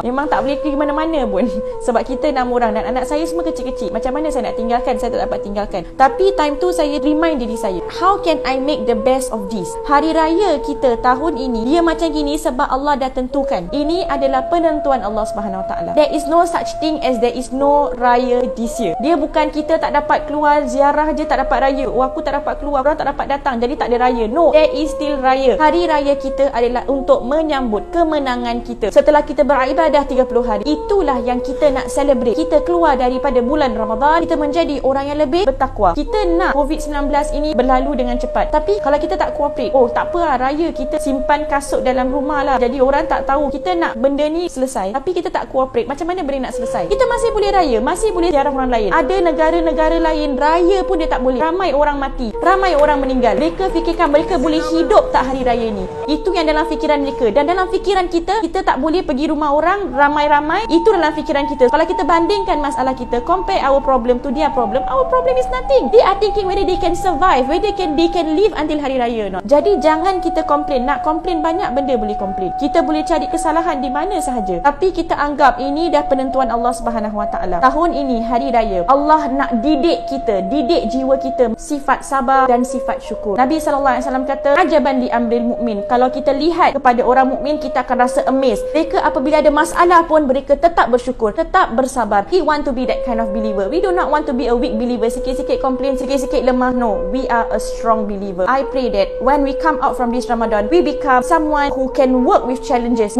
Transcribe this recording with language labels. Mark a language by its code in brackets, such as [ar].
[ms] Memang tak boleh pergi mana-mana pun. Sebab kita 6 orang dan anak saya semua kecil-kecil. Macam mana saya nak tinggalkan? Saya tak dapat tinggalkan. Tapi time tu saya remind diri saya, [en] how can I make the best of this? [ms] Hari raya kita tahun ini, dia macam gini sebab Allah dah tentukan. Ini adalah penentuan Allah SWT. [en] There is no such thing as there is no raya this year. [ms] Dia bukan kita tak dapat keluar ziarah je tak dapat raya. Oh, aku tak dapat keluar. Orang tak dapat datang. Jadi tak ada raya. [en] No. There is still raya. [ms] Hari raya kita adalah untuk menyambut kemenangan kita. Setelah kita beribadah 30 hari, itulah yang kita nak celebrate. Kita keluar daripada bulan Ramadan, kita menjadi orang yang lebih bertakwa. Kita nak COVID-19 ini berlalu dengan cepat. Tapi kalau kita tak cooperate, oh tak apa lah, raya kita simpan kasut dalam rumah lah. Jadi orang tak tahu kita nak benda ni selesai. Tapi kita tak cooperate, macam mana benda nak selesai? Kita masih boleh raya, masih boleh ziarah orang lain. Ada negara-negara lain, raya pun dia tak boleh. Ramai orang mati, ramai orang meninggal. Mereka fikirkan mereka boleh hidup tak hari raya ni. Itu yang dalam fikiran mereka. Dan dalam fikiran kita, kita tak boleh pergi rumah orang ramai-ramai. Itu dalam fikiran kita. Kalau kita bandingkan masalah kita, [en] compare our problem to their problem, our problem is nothing. They are thinking whether they can survive, whether they can live until hari raya or not. [ms] Jadi jangan kita complain. Nak complain, banyak benda boleh complain. Kita boleh cari kesalahan di mana sahaja. Tapi kita anggap ini dah penentuan Allah SWT. Tahun ini hari raya, Allah nak didik kita, didik jiwa kita sifat sabar dan sifat syukur. Nabi SAW kata, [ar] ajaban li amril mu'min. [ms] Kalau kita lihat kepada orang mukmin, kita akan rasa amazed. Mereka apabila ada masalah pun, mereka tetap bersyukur, tetap bersabar. [en] We want to be that kind of believer. We do not want to be a weak believer. [ms] Sikit-sikit complain, sikit-sikit lemah. [en] No, we are a strong believer. I pray that when we come out from this Ramadan, we become someone who can work with challenges.